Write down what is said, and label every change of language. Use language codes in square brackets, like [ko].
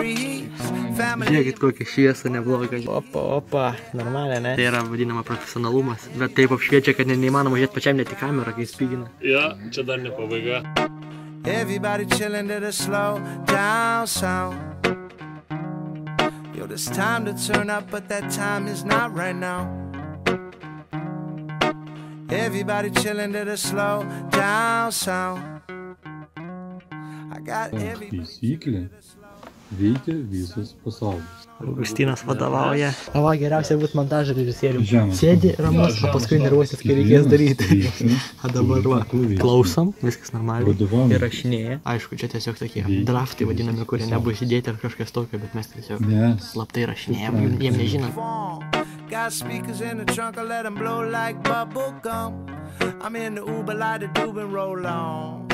[lt] Žiūrėkit, kokia šviesa nebloga. Opa, opa, normalia, ne? Tai yra vadinama profesionalumas. Bet taip apšviečia, kad neįmanoma žiūrėti pačiam net į kamerą, kai spygina. Ja, čia dar ne pabaiga. [en] Everybody chilling to the slow down sound. Yo, it's time to turn up, but that time is not right now. Everybody chilling to the slow down sound. I got everybody. [lt] Veikia visas pasaulis. Augustinas vadovauja. O va, geriausia būti montažo režisierium. Žemas. Sėdi ramus, o paskui nervuosis, kai reikės daryti. O dabar va, klausom, viskas normaliai. Vadovami. Ir rašinėja. Aišku, čia tiesiog tokie draftai vadinami, kurie nebus įdėti ar kažkas tokio, bet mes tiesiog slaptai rašinėjam, jiem nežinom. [en] Got speakers in the trunk, I let them blow like bubblegum. I'm in the Uber, light a dube and roll on.